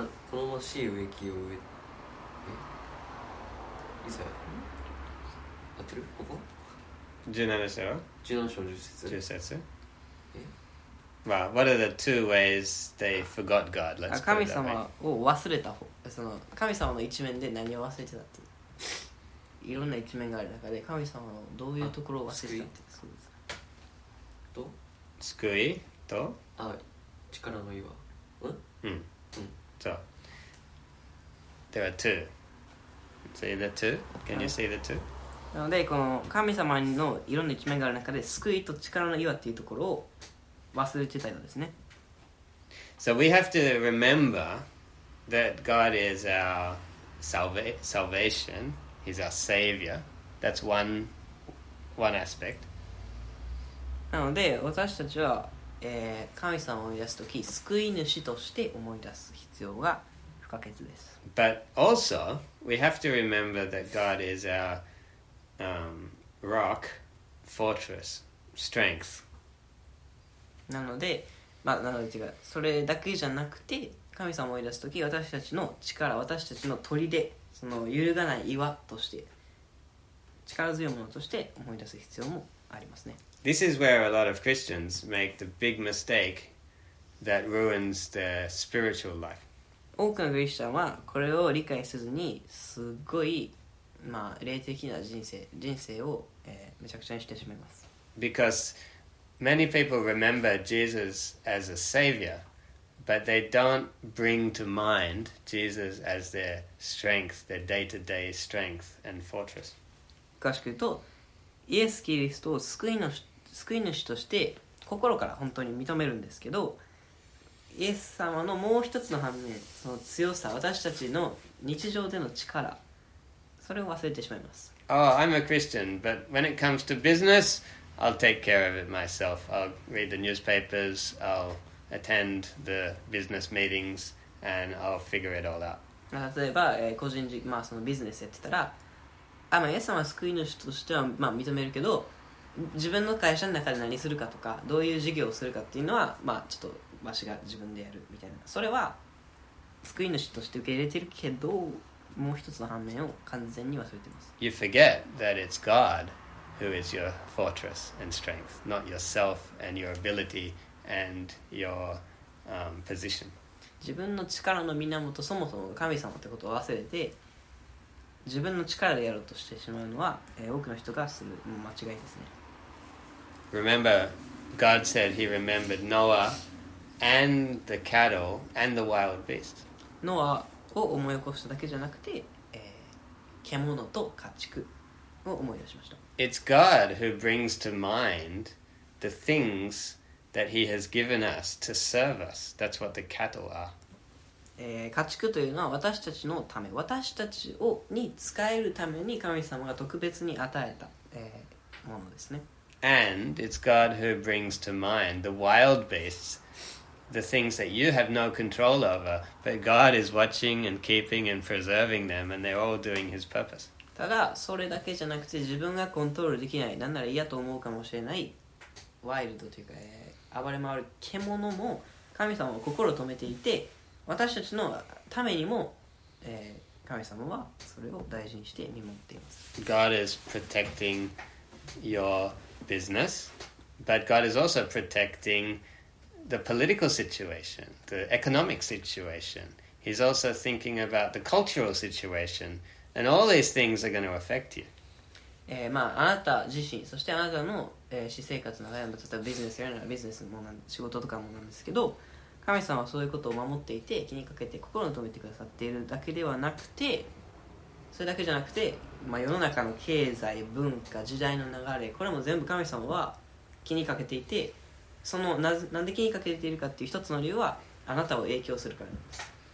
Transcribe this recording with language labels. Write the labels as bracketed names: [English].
[Japanese] このまし植木を植え、いざ、合ってる？ここ [English] Well, what are the two ways they forgot God? Let's put it that way. [Japanese] 神様を忘れた方、その神様の一面で何を忘れてたっていう、いろんな一面がある中で神様のどういうところを忘れてたって、そうですか。と救いと、あ、力の岩、うん、うん、うん、 [English] so there are two. See the two? Can you see the two? [Japanese] なのでこの神様のいろんな一面がある中で、救いと力の岩っていうところを忘れてたようですね。 [English] So we have to remember that God is our salvation. He's our savior. That's one aspect. [Japanese] なので私たちは、神様を思い出すとき、救い主として思い出す必要が不可欠です。 [English] But also we have to remember that God is ourrock, fortress, strength. [Japanese] なので、まあ、なので違う、それだけじゃなくて、神様を思い出すとき、私たちの力、私たちの砦、その揺るがない岩として、力強いものとして思い出す必要もありますね。 [English] This is where a lot of Christians make the big mistake that ruins their spiritual life. [Japanese] 多くのクリスチャンはこれを理解せずに、すごい、まあ、霊的な人生を、めちゃくちゃにしてしまいます。 [English] Because many people remember Jesus as a savior, but they don't bring to mind Jesus as their strength, their day-to-day strength and fortress. [Japanese] 詳しく言うと、イエス・キリストを救い主として心から本当に認めるんですけど、イエス様のもう一つの反面、その強さ、私たちの日常での力、それを忘れてしまいます。 [English] Oh, I'm a Christian, but when it comes to business, I'll take care of it myself. I'll read the newspapers, I'll attend the business meetings, and I'll figure it all out. [Japanese] 例えば、個人事、まあ、そのビジネスやってたら、あ、まあ、イエス様は救い主としては、まあ、認めるけど、自分の会社の中で何するかとか、どういう事業をするかっていうのは、まあ、ちょっとわしが自分でやるみたいな。それは救い主として受け入れてるけど、もう一つの反面を完全に忘れています。 [English] You forget that it's God who is your fortress and strength, not yourself and your ability and your position. [Japanese] 自分の力の源、そもそも神様ってことを忘れて、自分の力でやろうとしてしまうのは、多くの人がする間違いですね。 [English] Remember, God said he remembered Noah and the cattle and the wild beast. Noah. [Japanese] を思い起こしただけじゃなくて、獣と家畜を思い出しました。 [English] It's God who brings to mind the things that He has given us to serve us. That's what the cattle are. [Japanese] 家畜というのは私たちのため、私たちをに使えるために神様が特別に与えた、ものですね。 [English] And it's God who brings to mind the wild beasts. The things that you have no control over, but God is watching and keeping and preserving them, and they're all doing His purpose. [Japanese] ただそれだけじゃなくて、自分がコントロールできない、なんなら嫌と思うかもしれないワイルドというか、暴れ回る獣も神様は心を止めていて、私たちのためにも、神様はそれを大事にして見守っています。 [English] God is protecting your business, but God is also protectingthe political situation, the economic situation. He's also thinking about the cultural situation, and all these things are going to affect you. [Japanese] まあ、あなた自身、そしてあなたの、私生活の悩み、例えばビジネスやるならビジネスもなん、仕事とかもなんですけど、神様はそういうことを守っていて、気にかけて心を留めてくださっているだけではなくて、それだけじゃなくて、まあ、世の中の経済、文化、時代の流れ、これも全部神様は気にかけていて、そのなんで気にかけているかっていう一つの理由は、あなたを影響するからなんです。